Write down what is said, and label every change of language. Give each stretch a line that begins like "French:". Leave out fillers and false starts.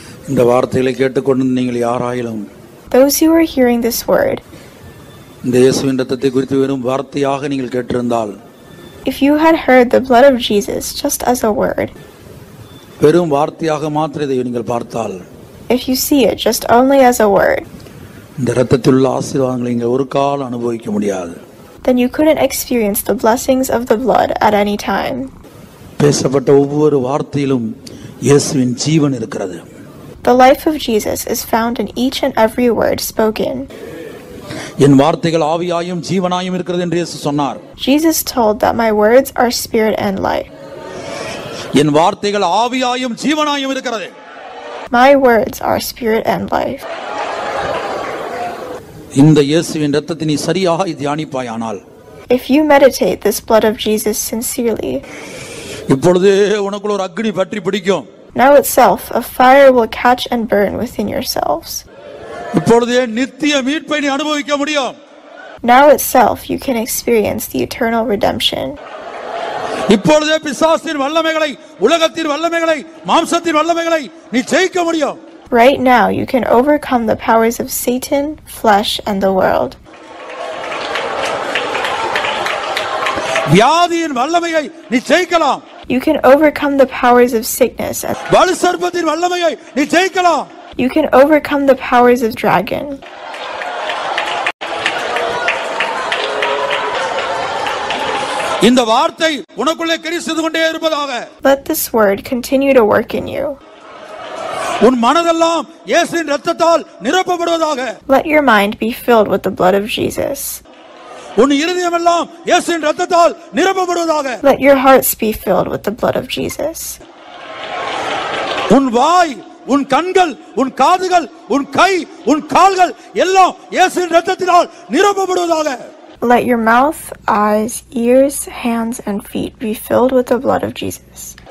Tamil: இந்த வார்த்தைகளை கேட்டுக்கொண்டு நீங்கள் யாராயிலும்,
English: Those who are hearing this word,
Tamil: இந்த இயேசுவின் ரத்தத்தை குறித்து வெறும் வார்த்தையாக நீங்கள் கேட்டிருந்தால்,
English: If you had heard the blood of Jesus just as a word,
Tamil: வெறும் வார்த்தையாக மாத்திரம் இதை நீங்கள் பார்த்தால்,
English: If you see it just only as a word,
Tamil: இந்த ரத்தத்தில் உள்ள ஆசீர்வாதங்களை நீங்கள் ஒரு கால் அனுபவிக்க முடியாது,
English: then you couldn't experience the blessings of the blood at any time.
Tamil: பேசப்பட்ட ஒவ்வொரு வார்த்தையிலும் இயேசுவின் ஜீவன் இருக்கிறது.
English: The life of Jesus is found in each and every word spoken.
Tamil: என் வார்த்தைகள் ஆவியாயும் ஜீவனாயும் இருக்கிறது என்று இயேசு சொன்னார்.
English: Jesus told that my words are spirit and life.
Tamil: என் வார்த்தைகள் ஆவியாயும் ஜீவனாயும் இருக்கிறது.
English: My words are spirit and life.
Tamil: இந்த இயேசுவின் இரத்தத்தை நீ சரியாக தியானிப்பாயானால்,
English: If you meditate this blood of Jesus sincerely,
Tamil: இப்பொழுதே உனக்குள்ள ஒரு அக்னி பற்றி பிடிக்கும்.
English: Now itself a fire will catch and burn within yourselves.
Tamil: இப்பொழுதே நித்திய மீட்பை நீ அனுபவிக்க முடியும்.
English: Now itself you can experience the eternal redemption.
Tamil: இப்பொழுதே பிசாசின் வல்லமைகளை உலகத்தின் வல்லமைகளை மாம்சத்தின் வல்லமைகளை நீ ஜெயிக்க முடியும்.
English: Right now you can overcome the powers of Satan, flesh and the world.
Tamil: வியாதியின் வல்லமையை நீ ஜெயிக்கலாம்.
English: You can overcome the powers of sickness.
Tamil: பலி சர்ப்பத்தின் வல்லமையை நீ ஜெயிக்கலாம்.
English: You can overcome the powers of dragon.
Tamil: இந்த வார்த்தை உனக்குள்ளே கிரி செய்து கொண்டே இருப்பதாக.
English: Let this word continue to work in you.
Tamil: உன் மனதெல்லாம் இயேசுவின் இரத்தத்தால் நிரப்பப்படுவதாக.
English: Let your mind be filled with the blood of Jesus.
Tamil: உன் இருதயம் எல்லாம் இயேசுவின் இரத்தத்தால் நிரப்பப்படுவதாக.
English: Let your hearts be filled with the blood of Jesus.
Tamil: உன் வாய், உன் கண்கள், உன் காதுகள், உன் கை, உன் கால்கள் எல்லாம் இயேசுவின் இரத்தத்தினால் நிரப்பப்படுவதாக.
English: Let your mouth, eyes, ears, hands and feet be filled with the blood of Jesus.